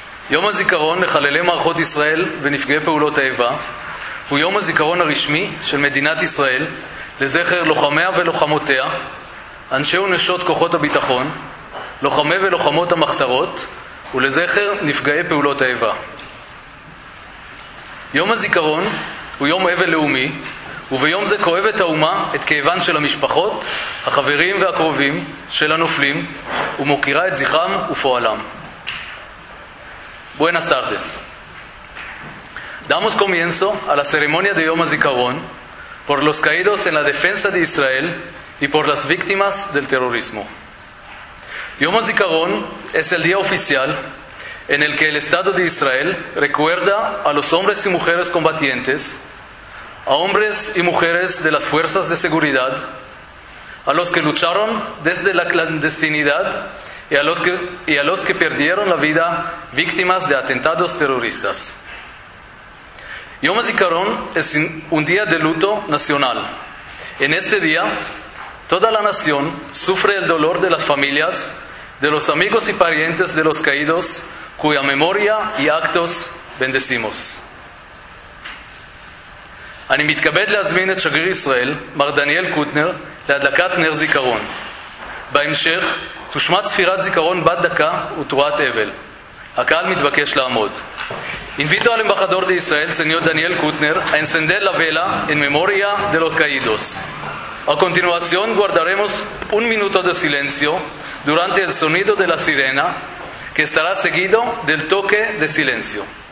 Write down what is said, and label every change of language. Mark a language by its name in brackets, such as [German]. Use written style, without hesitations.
[Hebrew] יום הזיכרון לחללי מערכות ישראל ונפגעי פעולות האיבה הוא יום הזיכרון הרשמי של מדינת ישראל לזכר לוחמיה ולוחמותיה, אנשי ונשות כוחות הביטחון, לוחמי ולוחמות המחתרות, ולזכר נפגעי פעולות האיבה. יום הזיכרון הוא יום אבל לאומי, וביום זה כואבת האומה את כאבן של המשפחות, החברים והקרובים של הנופלים, ומוקירה את זכרם ופועלם. [Spanish] Buenas tardes. Damos comienzo a la ceremonia de Yom HaZikaron por los caídos en la defensa de Israel y por las víctimas del terrorismo. Yom HaZikaron es el día oficial en el que el Estado de Israel recuerda a los hombres y mujeres combatientes, a hombres y mujeres de las fuerzas de seguridad, a los que lucharon desde la clandestinidad y a los que perdieron la vida víctimas de atentados terroristas. Yom HaZikaron es un día de luto nacional. En este día, toda la nación sufre el dolor de las familias, de los amigos y parientes de los caídos, cuya memoria y actos bendecimos. [Hebrew] אני מתכבד להזמין את שגריר ישראל, מר דניאל קוטנר, להדלקת נר זיכרון. בהמשך, תושמע צפירת זיכרון בת דקה ותרועת אבל. הקהל מתבקש לעמוד. [Spanish] Invito al embajador de Israel, señor Daniel Kutner, a encender la vela en memoria de los caídos. A continuación, guardaremos un minuto de silencio durante el sonido de la sirena, que estará seguido del toque de silencio.